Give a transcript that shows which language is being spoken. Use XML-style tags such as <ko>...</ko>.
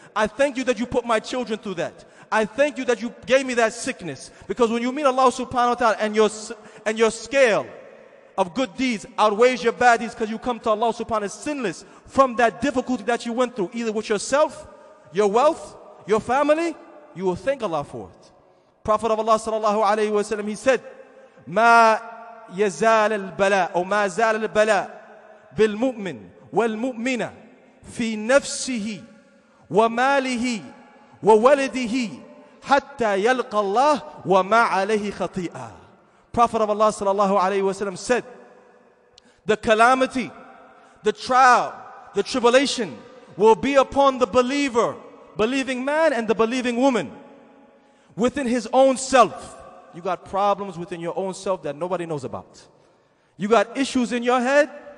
<en>I thank you that you put my children through that. I thank you that you gave me that sickness. Because when you meet Allah subhanahu wa ta'ala and your scale of good deeds outweighs your bad deeds, because you come to Allah subhanahu wa ta'ala sinless from that difficulty that you went through, either with yourself, your wealth, your family, you will thank Allah for it. Prophet of Allah sallallahu alayhi wa sallam, he said,</en> <ar>مَا يَزَالَ الْبَلَاءُ مَا زَالَ الْبَلَاءُ بِالْمُؤْمِنِ وَالْمُؤْمِنَ فِي نَفْسِهِ وَمَالِهِ وَوَلِدِهِ حَتَّى يَلْقَ اللَّهِ وَمَا عَلَيْهِ خَطِيئًا.</ar> <en>Prophet of Allah sallallahu alayhi wa sallam said, the calamity, the trial, the tribulation will be upon the believer, believing man and the believing woman, within his own self. You got problems within your own self that nobody knows about. You got issues in your head.</en>